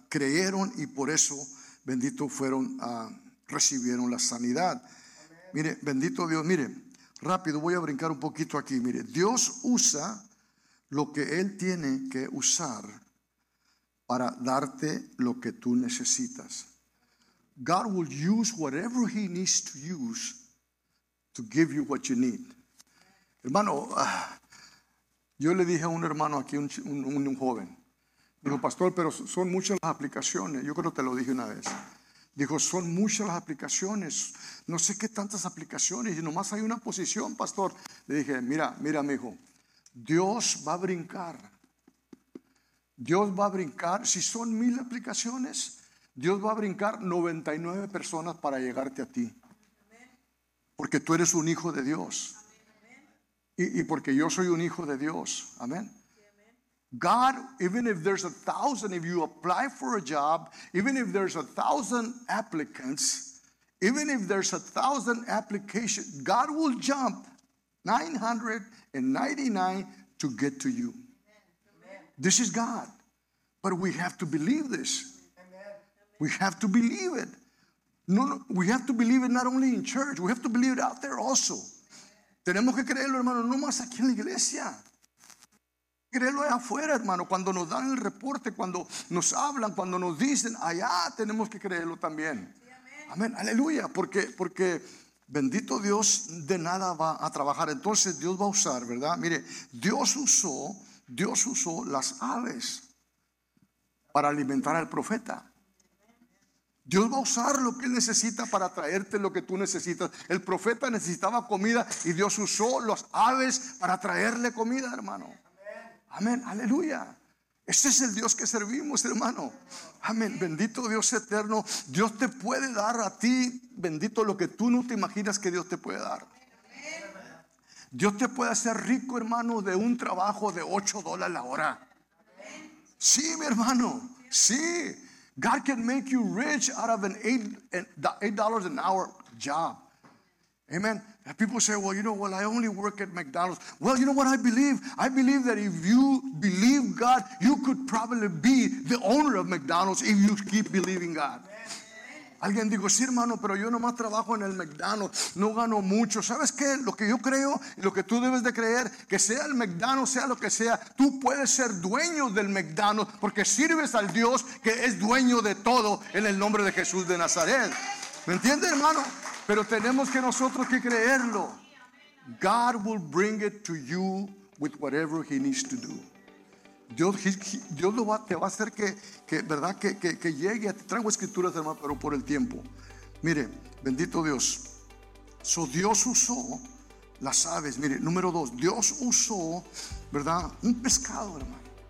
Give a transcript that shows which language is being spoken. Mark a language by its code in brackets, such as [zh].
[es] Creyeron y por eso, bendito, fueron a recibieron la sanidad. Mire, bendito Dios, mire, rápido, voy a brincar un poquito aquí. Mire, Dios usa lo que Él tiene que usar para darte lo que tú necesitas. [en] God will use whatever He needs to use to give you what you need. [es] Hermano, yo le dije a un hermano aquí, un joven, dijo, pastor, pero son muchas las aplicaciones. Yo creo que te lo dije una vez. Dijo, son muchas las aplicaciones. No sé qué tantas aplicaciones. Y nomás hay una posición, pastor. Le dije, mira, mijo, Dios va a brincar. Dios va a brincar. Si son 1,000 aplicaciones, Dios va a brincar 99 personas para llegarte a ti. Porque tú eres un hijo de Dios. Y porque yo soy un hijo de Dios. [en] Amén. God, even if there's 1,000, if you apply for a job, even if there's 1,000 applicants, even if there's 1,000 applications, God will jump 999 to get to you. This is God. But we have to believe this. We have to believe it. No, we have to believe it not only in church. We have to believe it out there also. [es] Tenemos que creerlo, hermano, no más aquí en la iglesia. Creerlo allá afuera, hermano. Cuando nos dan el reporte, cuando nos hablan, cuando nos dicen, allá tenemos que creerlo también. Amén. Aleluya. Porque bendito Dios, de nada va a trabajar. Entonces Dios va a usar, ¿verdad? Mire, Dios usó las aves para alimentar al profeta. Dios va a usar lo que Él necesita para traerte lo que tú necesitas. El profeta necesitaba comida y Dios usó las aves para traerle comida, hermano. Amén, aleluya. Ese es el Dios que servimos, hermano. Amén, bendito Dios eterno. Dios te puede dar a ti, bendito, lo que tú no te imaginas que Dios te puede dar. Dios te puede hacer rico, hermano, de un trabajo de $8 la hora. Sí, mi hermano, sí. [en] God can make you rich out of $8 an hour job. Amen. People say, well, you know, well, I only work at McDonald's. Well, you know what I believe? I believe that if you believe God, you could probably be the owner of McDonald's if you keep believing God. [es] Alguien dijo, sí, hermano, pero yo nomás trabajo en el McDonald's, no gano mucho. ¿Sabes qué? Lo que yo creo y lo que tú debes de creer, que sea el McDonald's, sea lo que sea, tú puedes ser dueño del McDonald's porque sirves al Dios que es dueño de todo en el nombre de Jesús de Nazaret. ¿Me entiendes, hermano? Pero tenemos que nosotros que creerlo. [en] God will bring it to you with whatever He needs to do. [es] Dios lo va, te va a hacer que verdad que llegue. Te traigo escrituras, hermano, pero por el tiempo. Mire, bendito Dios. So Dios usó las aves. Mire, número dos, Dios usó, ¿verdad?, un pescado, hermano.